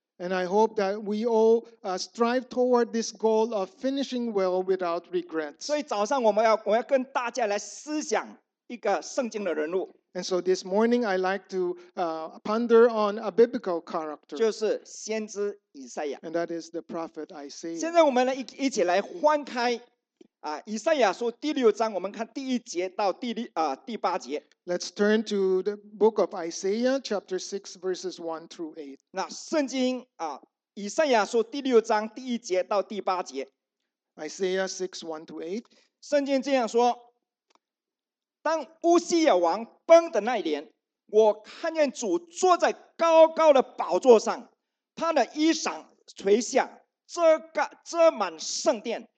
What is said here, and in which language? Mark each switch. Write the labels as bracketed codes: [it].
[en] And I hope that we all strive toward this goal of finishing well without regrets. [zh] 所以早上我要跟大家来思想一个圣经的人物。 [en] And so this morning I like to ponder on a biblical character. [zh] 就是先知以赛亚。 [en] And that is the prophet Isaiah. [zh] 现在我们来一起来翻开。以赛亚书第六章，我们看第一节到第八节。 [en] Let's turn to the book of Isaiah, chapter 6, verses 1 through 8. [zh] 那圣经以赛亚书第六章第一节到第八节。 [en] Isaiah 6, 1 through 8. [zh] 圣经这样说：当乌西亚王崩的那一年，我看见主坐在高高的宝座上，他的衣裳垂下，遮满圣殿。